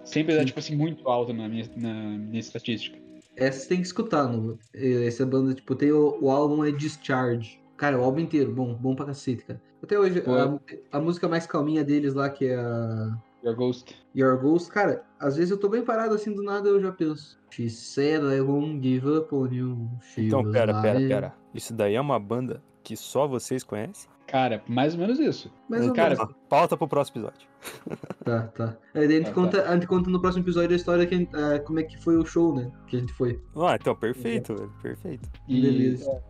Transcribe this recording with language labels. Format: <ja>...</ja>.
<pt>Sempre dá, tipo assim, muito alto na minha estatística. Essa tem que escutar, essa banda, tipo, tem o álbum é Discharge. Cara, o álbum inteiro, bom pra cacete, cara. Até hoje, a música mais calminha deles lá, que é a...</pt> <en>Your Ghost,</en> <pt>cara, às vezes eu tô bem parado assim, do nada eu já penso.</pt> <en>She said I won't give up on you.</en> <pt>Então, pera. Isso daí é uma banda que só vocês conhecem? Cara, mais ou menos isso. Mais ou menos. Pauta pro próximo episódio. Tá. Aí a gente conta no próximo episódio a história que como é que foi o show, né? Que a gente foi. Ah, então, perfeito, velho. Perfeito. Beleza.</pt>